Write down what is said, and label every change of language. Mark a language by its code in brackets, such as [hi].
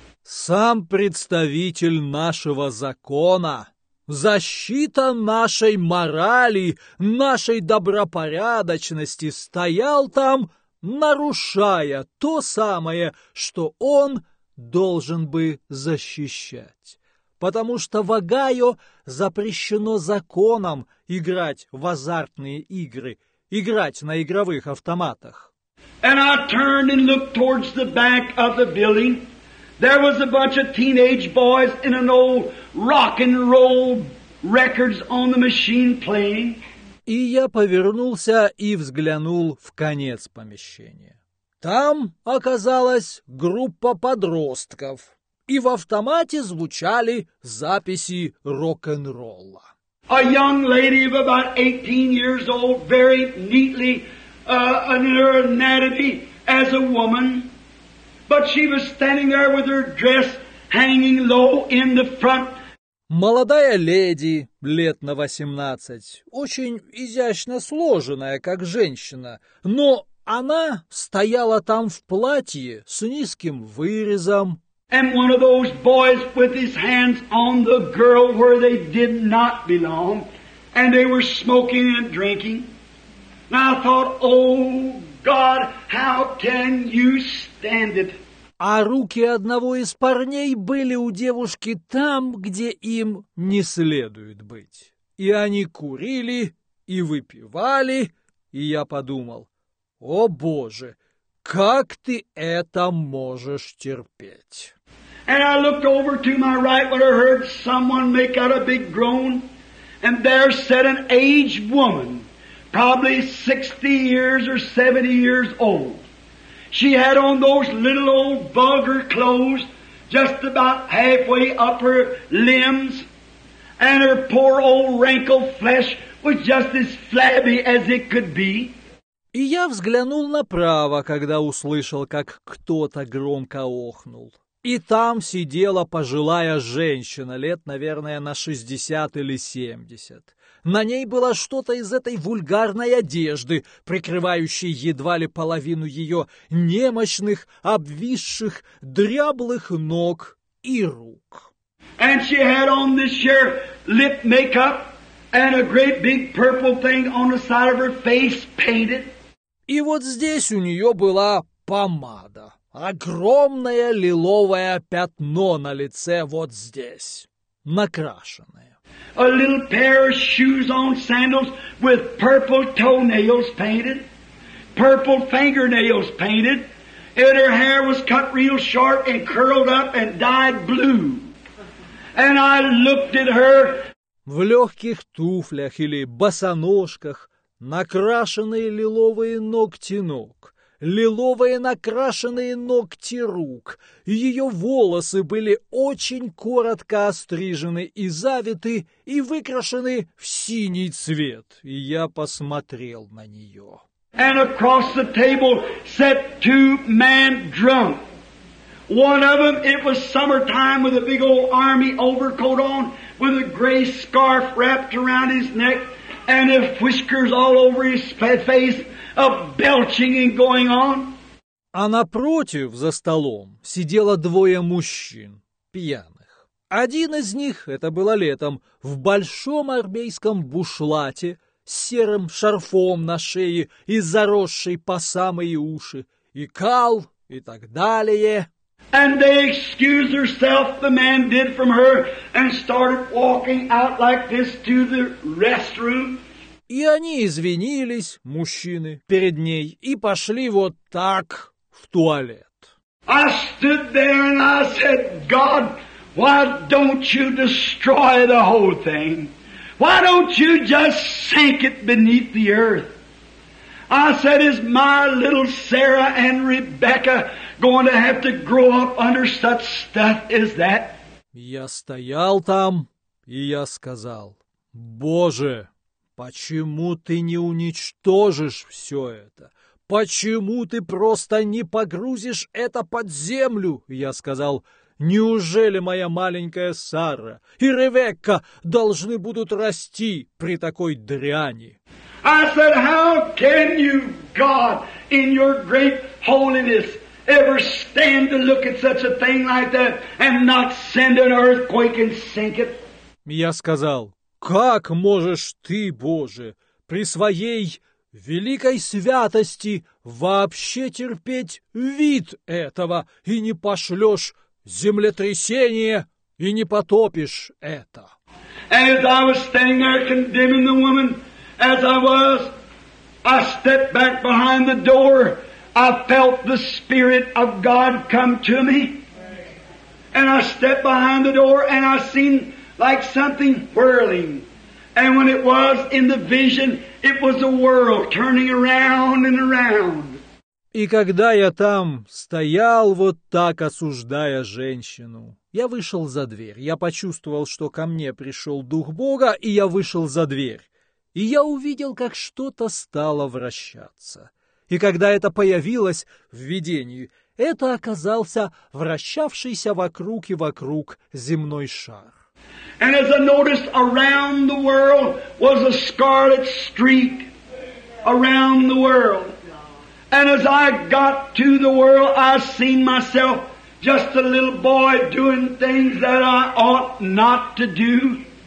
[ru] Сам представитель нашего закона, защита нашей морали, нашей добропорядочности стоял там, нарушая то самое, что он должен бы защищать. Потому что в Огайо запрещено законом играть в азартные игры, играть на игровых автоматах. [en] And I turned and looked towards the back of the building. There was a bunch of teenage boys in an old rock and roll records on the machine playing. [ru] И я повернулся и взглянул в конец помещения. Там оказалась группа подростков, и в автомате звучали записи рок-н-ролла. [en] A young lady of about 18 years old, very neatly, in her anatomy as a woman, but she was standing there with her dress hanging low in the front. [ru] Молодая леди, лет на 18, очень изящно сложенная, как женщина, но она стояла там в платье с низким вырезом. [en] And one of those boys with his hands on the girl where they did not belong, and they were smoking and drinking. And I thought, oh God, how can you stand it? [ru] А руки одного из парней были у девушки там, где им не следует быть. И они курили, и выпивали, и я подумал, о Боже, как ты это можешь терпеть? [en] And I looked over to my right when I heard someone make out a big groan, and there sat an aged woman, probably 60 years or 70 years old. She had on those little old bugger clothes, just about halfway up her limbs, and her poor old wrinkled flesh was just as flabby as it could be. [ru] И я взглянул направо, когда услышал, как кто-то громко охнул. И там сидела пожилая женщина, лет, наверное, на 60 или 70. На ней было что-то из этой вульгарной одежды, прикрывающей едва ли половину ее немощных, обвисших, дряблых ног и рук. [en] And she had on this sheer lip makeup and a great big purple thing on the side of her face painted. [ru] И вот здесь у нее была помада. Огромное лиловое пятно на лице вот здесь, накрашенное. [en] A little pair of shoes on sandals with purple toenails painted, purple fingernails painted, and her hair was cut real short and curled up and dyed blue. And I looked at her. [ru] В легких туфлях или босоножках, накрашенные лиловые ногти ног, лиловые накрашенные ногти рук. Ее волосы были очень коротко острижены и завиты, и выкрашены в синий цвет. И я посмотрел на нее. [en] And across the table sat two men drunk. One of them, it was summertime with a big old army overcoat on, with a gray scarf wrapped around his neck, and his whiskers all over his face, a belching and going on. [ru] А напротив, за столом, сидело двое мужчин, пьяных. Один из них, это было летом, в большом армейском бушлате, с серым шарфом на шее и заросшей по самые уши, и кал, и так далее. [en] And they excused herself, the man did from her, and started walking out like this to the restroom. [ru] И они извинились, мужчины, перед ней, и пошли вот так в туалет. [en] I stood there and I said, God, why don't you destroy the whole thing? Why don't you just sink it beneath the earth? I said, is my little Sarah and Rebecca going to have to grow up under such stuff as that? [ru] Я стоял там, и я сказал, Боже, почему ты не уничтожишь все это? Почему ты просто не погрузишь это под землю? Я сказал, неужели моя маленькая Сара и Ревекка должны будут расти при такой дряни? [en] I said, how can you, God, in your great holiness, ever stand to look at such a thing like that and not send an earthquake and sink it? [ru] Я сказал, как можешь ты, Боже, при своей великой святости вообще терпеть вид этого и не пошлешь землетрясение и не потопишь это? [en] And as I was standing there condemning the woman, as I was, I stepped back behind the door. I felt the Spirit of God come to me. And I stepped behind the door and I seen like something whirling. And when it was in the vision, it was a world turning around and around. [ru] И когда я там стоял вот так, осуждая женщину, я вышел за дверь. Я почувствовал, что ко мне пришел Дух Бога, и я вышел за дверь. И я увидел, как что-то стало вращаться. И когда это появилось в видении, это оказался вращавшийся вокруг и вокруг земной шар. [en] And as I noticed, around the world was a scarlet streak around the world. And as I got to the world, I seen myself just a little boy doing things that I ought not to do.